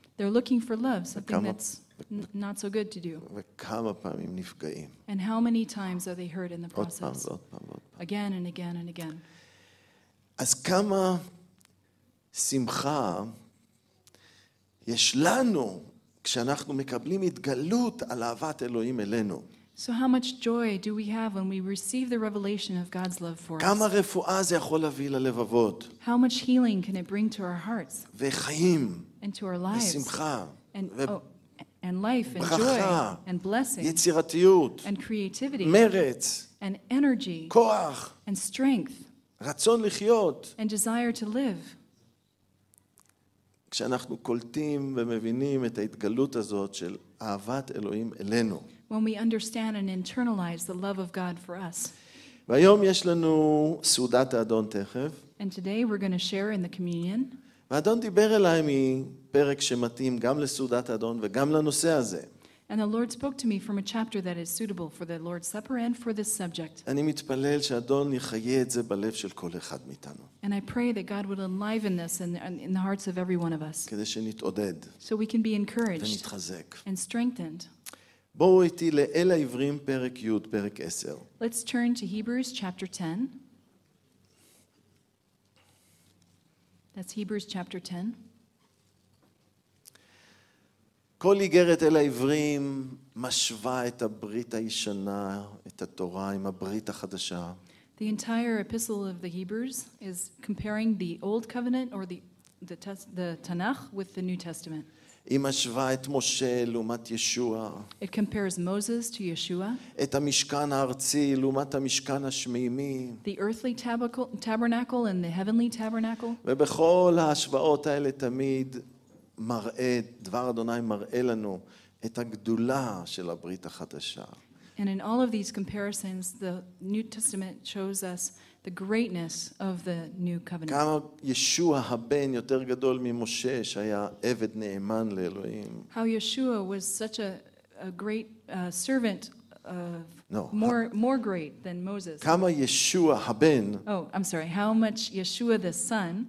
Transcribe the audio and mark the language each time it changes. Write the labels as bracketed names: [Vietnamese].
[English] They're looking for love, something that's not so good to do. [Hebrew] וכמה פעמים נפגעים. [English] And how many times are they hurt in the process? [Hebrew] עוד פעם, עוד פעם, עוד פעם. [English] Again and again and again. [Hebrew] אז כמה שמחה יש לנו כשאנחנו מקבלים התגלות על אהבת אלוהים אלינו. [English] So how much joy do we have when we receive the revelation of God's love for us? [Hebrew] כמה רפואה זה יכול להביא ללבבות? [English] How much healing can it bring to our hearts? [Hebrew] וחיים. [English] And to our lives. [Hebrew] ושמחה. [English] And life and joy and blessing. [Hebrew] יצירתיות. [English] And creativity. [Hebrew] מרץ. [English] And energy. [Hebrew] כוח. [English] And strength. [Hebrew] רצון לחיות. [English] And desire to live. [Hebrew] כשאנחנו קולטים ומבינים את ההתגלות הזאת של אהבת אלוהים אלינו. [English] When we understand and internalize the love of God for us. [Hebrew] והיום יש לנו סעודת האדון תכף. [English] And today we're going to share in the communion. [Hebrew] והאדון דיבר אליי מפרק שמתאים גם לסעודת האדון וגם לנושא הזה. [English] And the Lord spoke to me from a chapter that is suitable for the Lord's Supper and for this subject. [Hebrew] אני מתפלל שאדון יחיה את זה בלב של כל אחד מאיתנו. [English] And I pray that God will enliven this in the hearts of every one of us. [Hebrew] כדי שנתעודד. [English] So we can be encouraged. [Hebrew] ונתחזק. [English] And strengthened. [Hebrew] בואו איתי לאל העברים פרק י' פרק 10. [English] Let's turn to Hebrews chapter 10. That's Hebrews chapter 10. [Hebrew] כל איגרת אל העברים משווה את הברית הישנה, את התורה עם הברית החדשה. [English] The entire epistle of the Hebrews is comparing the old covenant or the Tanakh with the New Testament. [Hebrew] היא משווה את משה לעומת ישוע. [English] It compares Moses to Yeshua. [Hebrew] את המשכן הארצי לעומת המשכן השמימי. [English] The earthly tabernacle and the heavenly tabernacle. [Hebrew] ובכל ההשוואות האלה תמיד מראה, דבר אדוני מראה לנו את הגדולה של הברית החדשה. [English] And in all of these comparisons, the New Testament shows us the greatness of the new covenant. [Hebrew] כמה ישוע הבן יותר גדול ממשה שהיה עבד נאמן לאלוהים. [English] How Yeshua was such a great servant of no. more great than Moses. [Hebrew] כמה ישוע הבן [English] Oh, I'm sorry. How much Yeshua the son